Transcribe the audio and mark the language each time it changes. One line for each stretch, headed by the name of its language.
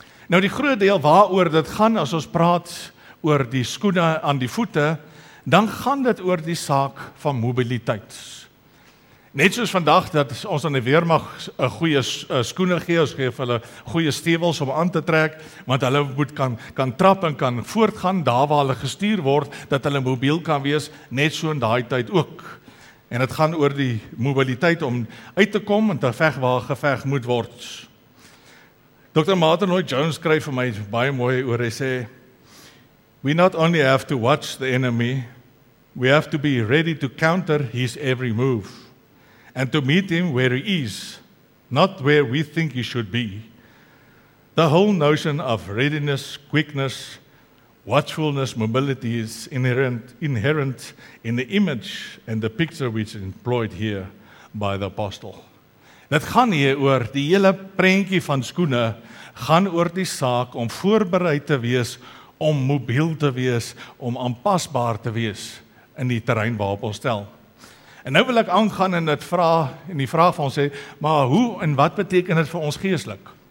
Afrikaans: Nou die groot deel waaroor dit gaan, as ons praat oor die skoene aan die voete, dan gaan dit oor die saak van mobiliteit. Net soos vandag, dat ons aan die weermag goeie skoene gee, ons gee vir hulle goeie stewels om aan te trek, want hulle moet kan trap en kan voortgaan, daar waar hulle gestuur word, dat hulle mobiel kan wees, net so in daai tyd ook. En het gaan oor die mobiliteit om uit te kom en te veg waar geveg moet word. Dr.
English: Martin Lloyd Jones
Afrikaans: skryf vir my baie mooi oor, hy sê,
English: we not only have to watch the enemy, we have to be ready to counter his every move, and to meet him where he is, not where we think you should be. The whole notion of readiness, quickness, watchfulness, mobility is inherent in the image and the picture which is employed here by the apostle.
Afrikaans: Dit gaan hier oor die hele prentjie van skoene, gaan oor die saak om voorbereid te wees, om mobiel te wees, om aanpasbaar te wees in die terrein waarop ons stel. En nou wil ek aangaan en dit vra en die vraag van ons sê, maar hoe en wat beteken dit vir ons geestelik?